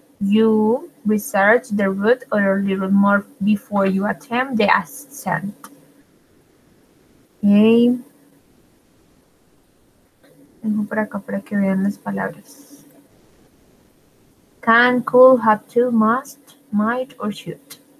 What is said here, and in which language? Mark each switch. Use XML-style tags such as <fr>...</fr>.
<en>You research the route or a little more before you attempt the ascent. Okay.</en> <es>Tengo por acá para que vean las palabras.</es> <en>Can, could, have to, must, might, or should.</en>